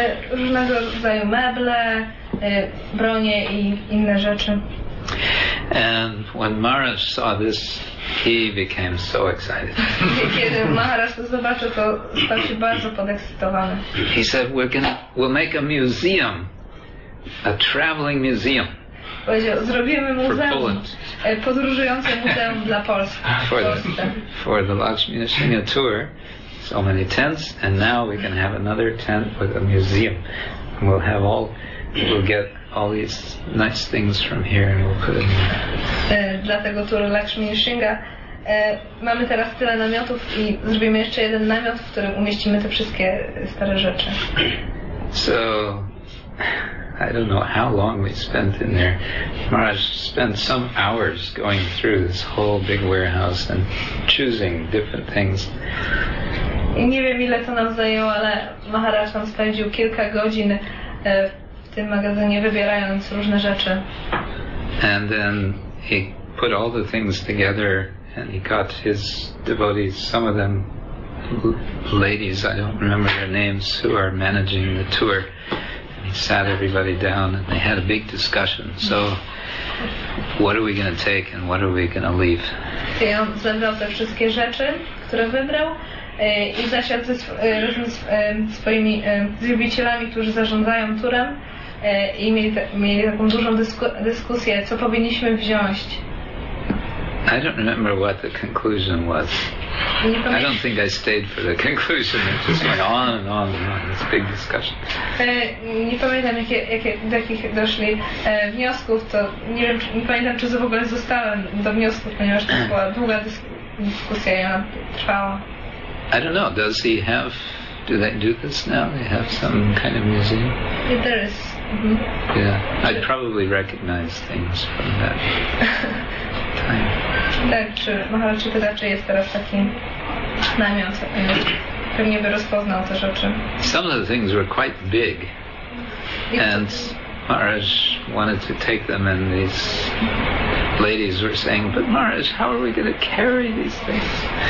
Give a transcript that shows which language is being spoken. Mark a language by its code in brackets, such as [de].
[pl] Różnego rodzaju meble, bronie i inne rzeczy. [en] And when Maharaj saw this, he became so excited. [pl] Kiedy Maharaj to zobaczył, to stał się bardzo podekscytowany. [en] He said, we'll make a museum, a traveling museum. [pl] Powiedział, zrobimy muzeum, podróżujące muzeum dla Polski. [en] For the Lakshmi Nrsimha tour, so many tents, and now we can have another tent with a museum. And we'll have all, we'll get all these nice things from here and we'll put them in. [pl] Dlatego tour Lakshmi Nrsimha. Mamy teraz tyle namiotów i zrobimy jeszcze jeden namiot, w którym umieścimy te wszystkie stare rzeczy. [en] So, I don't know how long we spent in there. Maharaj spent some hours going through this whole big warehouse and choosing different things. [pl] I nie wiem, ile to nam zajęło, ale Maharaj tam spędził kilka godzin w tym magazynie, wybierając różne rzeczy. [en] And then he put all the things together and he got his devotees, some of them ladies, I don't remember their names, who are managing the tour. He sat everybody down and they had a big discussion. So, what are we going to take and what are we going to leave? [pl] I on zebrał te wszystkie rzeczy, które wybrał, i zasiadł razem z swoimi zwiedzicielami, którzy zarządzają turem, i mieli taką dużą dyskusję, co powinniśmy wziąć. [en] I don't remember what the conclusion was. I don't think I stayed for the conclusion. It just went on and on and on. This big discussion. [pl] Nie pamiętam, do jakich doszli wniosków. To nie wiem, nie pamiętam, czy w ogóle zostałem do wniosków, ponieważ to była długa dyskusja i ona trwała. [en] I don't know. Does he have? Do they do this now? They have some kind of museum? Yeah, there is. Mm-hmm. Yeah, I'd probably recognize things from that. [pl] Tak, czy Maharaj pyta, czy jest teraz taki namiot, pewnie by rozpoznał te rzeczy. [en] Some of the things were quite big and Maharaj wanted to take them and these ladies were saying, but Maharaj, how are we going to carry these things?